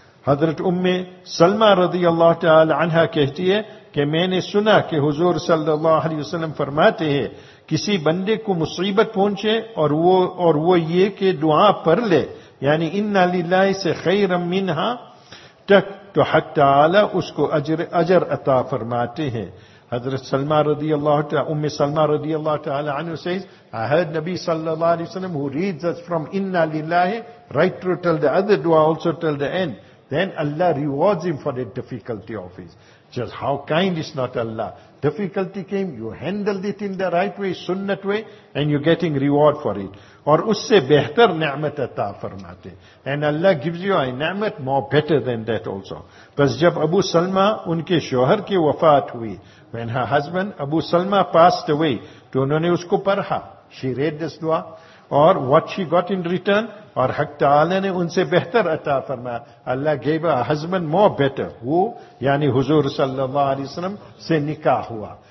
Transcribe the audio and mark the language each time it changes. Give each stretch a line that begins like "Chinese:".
Urdu: حضرت ام سلمہ رضی اللہ تعالی عنہ کہتی ہے کہ میں نے سنا کہ حضور صلی اللہ علیہ وسلم فرماتے ہیں, کسی بندے کو مصیبت پہنچے اور وہ یہ کہ دعا پڑھ لے, یعنی انا للہ سے خیر منہا تک, تو حق تعالی اس کو اجر عطا فرماتے ہیں.
English: حضرت سلمہ رضی اللہ تعالی, ام سلمہ رضی اللہ تعالی عنہ says, I heard نبی صلی اللہ علیہ وسلم who reads us from انا للہ right through till the other dua also till the end. Then Allah rewards him for the difficulty of his. Just how kind is not Allah. Difficulty came, you handled it in the right way, sunnat way, and you're getting reward for it.
Urdu: Aur usse behtar ni'mat ata farmate.
English: And Allah gives you a ni'mat more better than that also.
Urdu: Bas jab Abu Salma, unke shohar ki wafat hui,
English: when her husband Abu Salma passed away,
Urdu: to unhone usko parha.
English: She read this dua. Aur what she got in return?
Urdu: اور حق تعالی نے ان سے بہتر عطا فرمایا.
English: Allah give a husband more better,
Urdu: وہ یعنی حضور صلی اللہ علیہ وسلم سے نکاح ہوا.